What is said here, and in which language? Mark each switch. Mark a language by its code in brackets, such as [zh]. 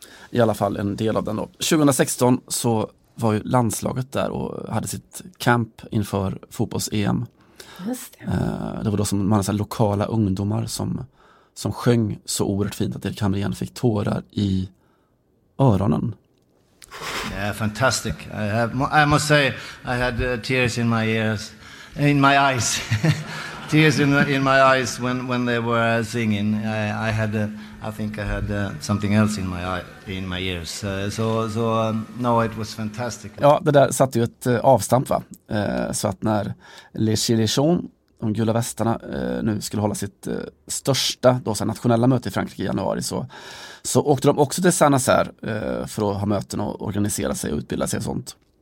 [sv] I alla fall en del av den då. 2016 så var ju landslaget där och hade sitt camp inför fotbolls-EM. Just det. Det var då som man hade lokala ungdomar som sjöng så oerhört fint att Erik Hamrén fick tårar i öronen. [en] Yeah, fantastic. I must say, I had tears in my ears, in my eyes, tears in my eyes when they were singing. I think I had something else in my eye, in my ears. So, it was fantastic. [sv] Ja, det där satte ju ett avstamp, va? Så att när Les Chilichons, de gula västarna, nu skulle hålla sitt största då, så här, nationella möte i Frankrike i januari, så åkte de också till Saint-Nazaire för att ha möten och organisera sig och utbilda sig och sånt.